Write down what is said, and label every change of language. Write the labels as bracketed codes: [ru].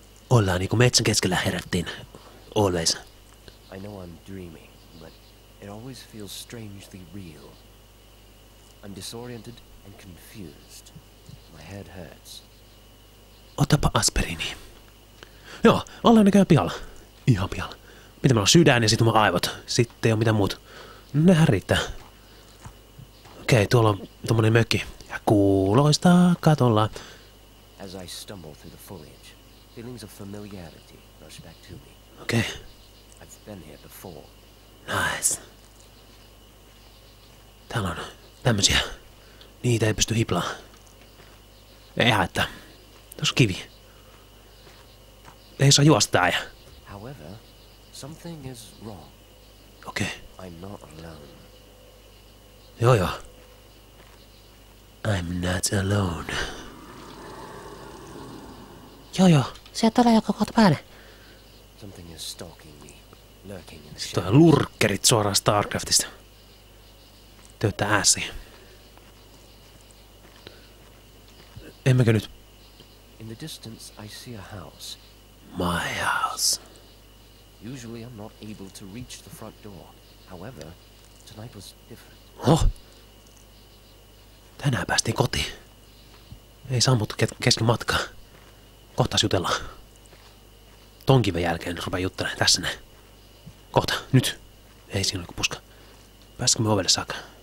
[fi] Ollaan niinku metsän keskellä herättiin. [en] Always. I know I'm dreaming, but it always feels strangely real. I'm disoriented and confused. My head hurts. [fi] Otapa aspiriini. Joo, ollaan näköjään pialla. Ihan pialla. Mitä meillä on sydän ja sit mun aivot. Sitten ei oo mitään muut. Nehän riittää. Okei, tuolla on tommonen mökki. Ja kuuloistaa katolla. [en] As I stumble through the foliage, feelings of familiarity rush back to me. [fi] Okei. [en] Okay. I've been here before. Nice. [fi] Täällä on tämmösiä. Niitä ei pysty hiplaa. Ei haittaa. Tuossa on kivi. Ei saa juosta ja. [en] However, something is wrong. [fi] Okei. [en] Okay. I'm not alone. Joo joo. I'm not alone. [fi] Joo joo, sieltä tulee joku kohta päälle. [en] Something is stalking me, lurking in the shadows. [fi] Sitten on lurkkerit suoraan StarCraftista. Töyttää ässiä. Emmekö nyt? [en] In the distance I see a house. My house. Usually I'm not able to reach the front door. However, tonight was different. Oh! [fi] Tänään päästiin kotiin. Ei sammuttu kesken matkaa. Kohtas jutellaan. Ton kiven jälkeen rupeen juttelemaan tässä näin. Kohta, nyt. Ei siinä ole kuin puska. Pääsikö me ovelle saakka?